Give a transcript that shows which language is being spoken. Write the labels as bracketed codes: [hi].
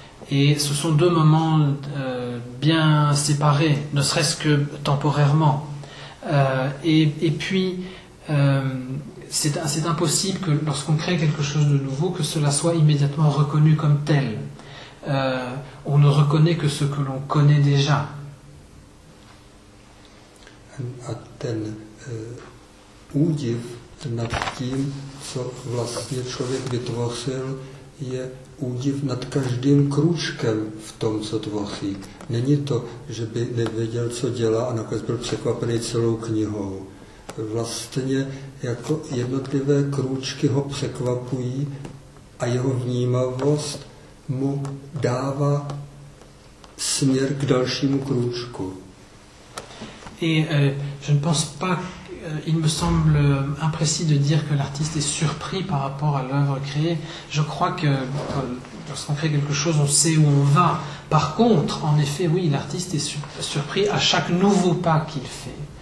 [fr] Et ce sont deux moments bien séparés, ne serait-ce que temporairement. C'est impossible que lorsqu'on crée quelque chose de nouveau, que cela soit immédiatement reconnu comme tel. On ne reconnaît que ce que l'on connaît déjà. [cs] A ten údiv nad tím, co vlastně člověk vytvořil, je údiv nad každým krůčkem v tom, co tvoří. Není to, že by nevěděl, co dělá, a nakonec byl překvapený celou knihou. Vlastně jako jednotlivé krůčky ho překvapují a jeho vnímavost mu dává směr k dalšímu krůčku. [fr] Et je ne pense pas, il me semble imprécis de dire que l'artiste est surpris par rapport à l'œuvre créée. Je crois que lorsqu'on crée quelque chose, on sait où on va. Par contre, en effet, oui, l'artiste est surpris à chaque nouveau pas qu'il fait.